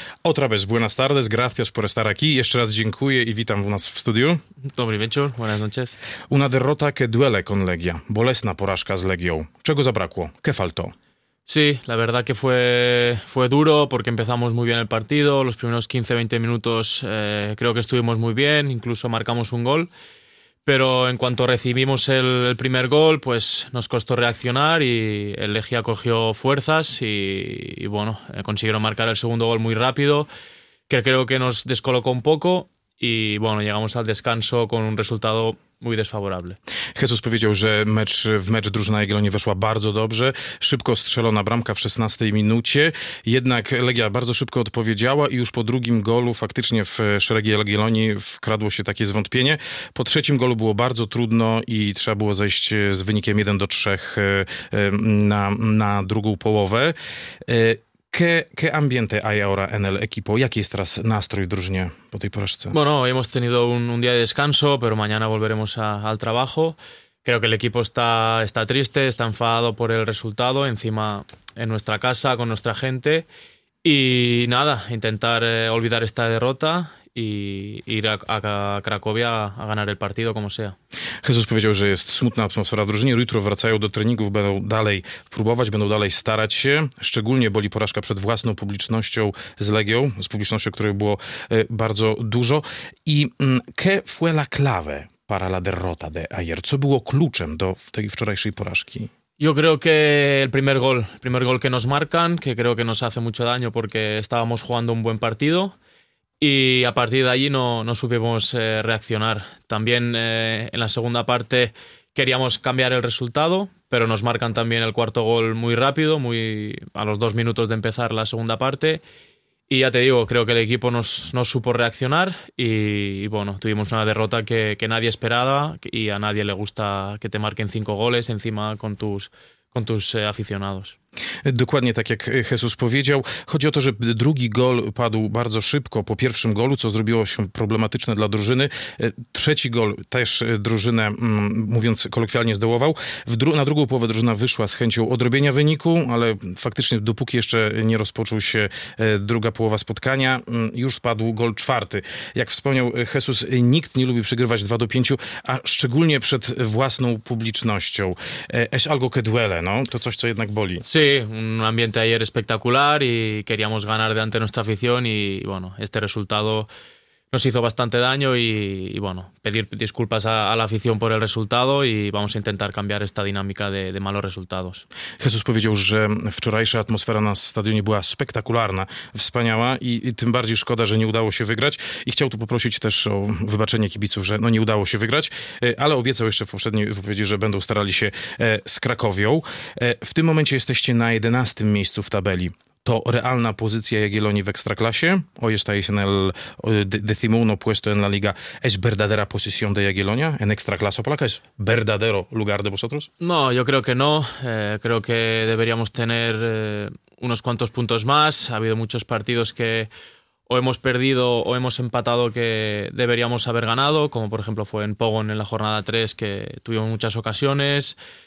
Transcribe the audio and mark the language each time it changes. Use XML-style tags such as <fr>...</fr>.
<es>Otra vez, buenas tardes, gracias por estar aquí.</es> <pl>Jeszcze raz dziękuję i witam u nas w studiu. Dobry wieczór,</pl> <es>buenas noches. Una derrota que duele con Legia.</es> <pl>Bolesna porażka z Legią. Czego zabrakło?</pl> <es>¿Qué faltó? Sí, la verdad que fue duro porque empezamos muy bien el partido. Los primeros 15-20 minutos creo que estuvimos muy bien, incluso marcamos un gol. Pero en cuanto recibimos el primer gol, pues nos costó reaccionar y el Legia cogió fuerzas y bueno, consiguieron marcar el segundo gol muy rápido, que creo que nos descolocó un poco y bueno, llegamos al descanso con un resultado mój desfavorable.</es> <pl>Jesús powiedział, że mecz drużyna Jagiellonii weszła bardzo dobrze. Szybko strzelona bramka w 16 minucie. Jednak Legia bardzo szybko odpowiedziała i już po drugim golu faktycznie w szeregi Jagiellonii wkradło się takie zwątpienie. Po trzecim golu było bardzo trudno i trzeba było zejść z wynikiem 1-3 na drugą połowę.</pl> <es>¿Qué ambiente hay ahora en el equipo? ¿Y aquí estás nastro y drużnie po tej porażce? Bueno, hoy hemos tenido un día de descanso, pero mañana volveremos al trabajo. Creo que el equipo está triste, está enfadado por el resultado, encima en nuestra casa, con nuestra gente. Y nada, intentar olvidar esta derrota i ir a Cracovia a ganar el partido como sea.</es> <pl>Jesús powiedział, że jest smutna atmosfera w drużynie. Jutro wracają do treningów, będą dalej próbować, będą dalej starać się. Szczególnie boli porażka przed własną publicznością z Legią, z publicznością, której było bardzo dużo.</pl> <es>I ¿qué fue la clave para la derrota de ayer?</es> <pl>Co było kluczem do tej wczorajszej porażki?</pl> <es>Yo creo que el primer gol que nos marcan, que creo que nos hace mucho daño porque estábamos jugando un buen partido. Y a partir de allí no supimos reaccionar. También en la segunda parte queríamos cambiar el resultado, pero nos marcan también el cuarto gol muy rápido, muy a los dos minutos de empezar la segunda parte. Y ya te digo, creo que el equipo no supo reaccionar y bueno, tuvimos una derrota que nadie esperaba y a nadie le gusta que te marquen 5 goles encima con tus aficionados.</es> <pl>Dokładnie tak jak Jesús powiedział. Chodzi o to, że drugi gol padł bardzo szybko po pierwszym golu, co zrobiło się problematyczne dla drużyny. Trzeci gol też drużynę, mówiąc kolokwialnie, zdołował. Na drugą połowę drużyna wyszła z chęcią odrobienia wyniku, ale faktycznie dopóki jeszcze nie rozpoczął się druga połowa spotkania, już padł gol czwarty. Jak wspomniał Jesús, nikt nie lubi przegrywać 2-5, a szczególnie przed własną publicznością.</pl> <es>Es algo que duele, no?</es> <pl>To coś, co jednak boli.</pl> <es>Sí, un ambiente ayer espectacular y queríamos ganar delante de nuestra afición y bueno, este resultado nos hizo bastante daño y bueno, pedir disculpas a la afición por el resultado y vamos a intentar cambiar esta dinámica de malos resultados.</es> <pl>Jesús powiedział, że wczorajsza atmosfera na stadionie była spektakularna, wspaniała i tym bardziej szkoda, że nie udało się wygrać i chciał tu poprosić też o wybaczenie kibiców, że no nie udało się wygrać, ale obiecał jeszcze w poprzedniej wypowiedzi, że będą starali się z Cracovią. W tym momencie jesteście na 11. miejscu w tabeli. To realna pozycja Jagiellonii w Ekstraklasie? O jeszcze jest na</pl> <es>decimuno puesto en la liga. ¿Es verdadera posición de Jagiellonia en Ekstraklasa Polaka? ¿Es verdadero lugar de vosotros? No, yo creo que no. Creo que deberíamos tener unos cuantos puntos más. Ha habido muchos partidos que o hemos perdido o hemos empatado que deberíamos haber ganado, como por ejemplo fue en Pogon en la jornada 3, que tuvimos muchas ocasiones.</es>